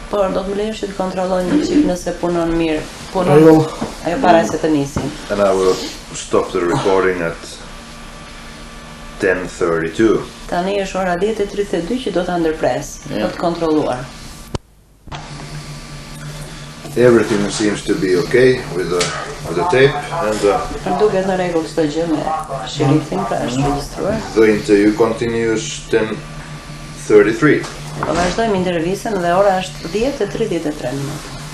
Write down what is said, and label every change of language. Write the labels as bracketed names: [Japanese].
[Albanian] Por do të më lejosh të kontrolloj nëse punon mirë. Ajo para se të nisim. [English] And I will stop the recording at 10:32. [Albanian] Tani është ora 10:32 që do ta ndërpres, do të kontrolluar. [English] Everything seems to be okay with the tape and [Albanian] duket në rregull çdo gjë me shiritin pra është regjistruar. [English] The interview continues 10:33. [Albanian] Po vazhdojmë intervistën dhe ora është 10:33 minuta.